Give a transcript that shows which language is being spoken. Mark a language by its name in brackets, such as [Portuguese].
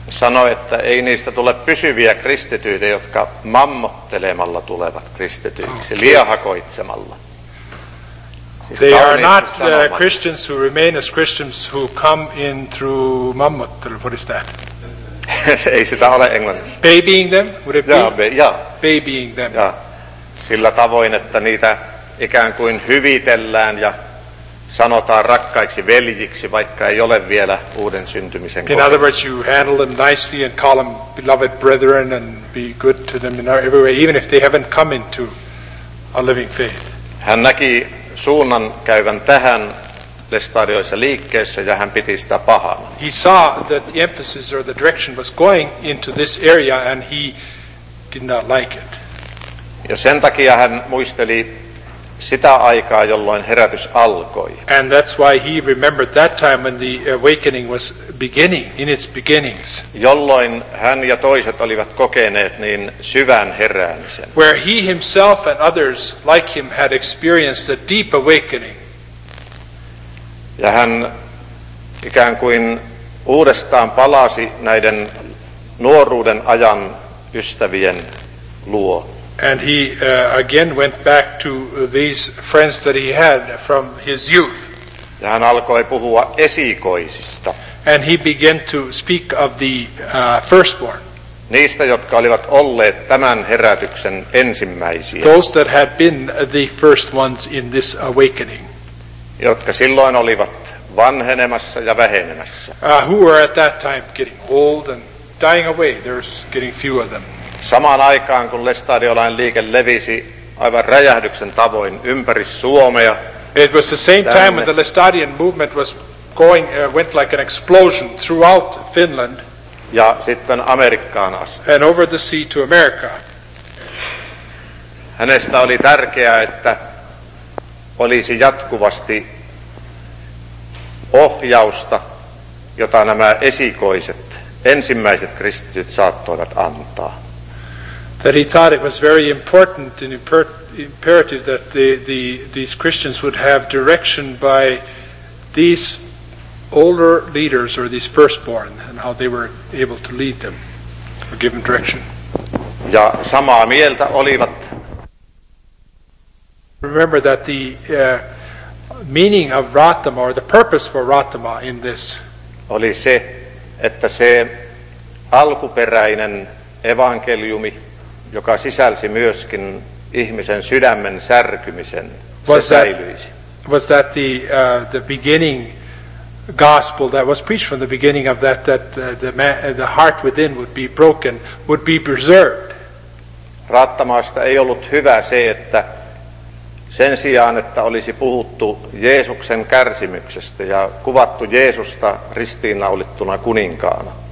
[Finnish] Sanoi, että ei niistä tule pysyviä kristityitä, jotka mammottelemalla tulevat kristityiksi, liehakoitsemalla. [English] Siis they are not Christians who remain as Christians who come in through mammottelu. What is that? [Finnish] Ei sitä ole englanniksi. [English] Babying them? Would it be? Babying them. [Finnish] Ja, sillä tavoin, että niitä ikään kuin hyvitellään ja sanotaan rakkaiksi veljiksi, vaikka ei ole vielä uuden syntymisen [English] kokemus. In other words, you handle them nicely and call them beloved brethren and be good to them in every way, even if they haven't come into a living faith. [Finnish] Hän näki suunnan käyvän tähän Lestadioissa liikkeessä ja hän piti sitä pahana. [English] He saw that the emphasis or the direction was going into this area and he did not like it. [Finnish] Ja sen takia hän muisteli sitä aikaa, jolloin herätys alkoi. [English] And that's why he remembered that time when the awakening was beginning, in its beginnings. [Finnish] Jolloin hän ja toiset olivat kokeneet niin syvän heräämisen. [English] Where he himself and others like him had experienced a deep awakening. [Finnish] Ja hän ikään kuin uudestaan palasi näiden nuoruuden ajan ystävien luo. [English] And he again went back to these friends that he had from his youth. [Finnish] Ja hän alkoi puhua esikoisista. [English] And he began to speak of the firstborn. [Finnish] Niistä, jotka olivat olleet tämän herätyksen ensimmäisiä. [English] Those that had been the first ones in this awakening. [Finnish] Jotka silloin olivat vanhenemassa ja vähenemässä. [English] Who were at that time getting old and dying away. There's getting few of them. [Finnish] Samaan aikaan, kun Lestadiolainen liike levisi aivan räjähdyksen tavoin ympäri Suomea. [English] It was the same time when the Lestadian movement was going, went like an explosion throughout Finland. [Finnish] Ja sitten Amerikkaan asti. [English] And over the sea to America. [Finnish] Hänestä oli tärkeää, että olisi jatkuvasti ohjausta, jota nämä esikoiset, ensimmäiset kristityt saattoivat antaa. [English] That he thought it was very important and imperative that these Christians would have direction by these older leaders or these firstborn and how they were able to lead them or give them direction. [Finnish] Ja samaa mieltä olivat. [English] Remember that the meaning of Rathama or the purpose for Rathama in this [Finnish] oli se, että se alkuperäinen evankeliumi, joka sisälsi myöskin ihmisen sydämen särkymisen, se säilyisi. [English] Was that the beginning gospel that was preached from the beginning of that the heart within would be broken, would be preserved? [Finnish] Rattamasta ei ollut hyvä se, että sen sijaan, että olisi puhuttu Jeesuksen kärsimyksestä ja kuvattu Jeesusta ristiinnaulittuna kuninkaana.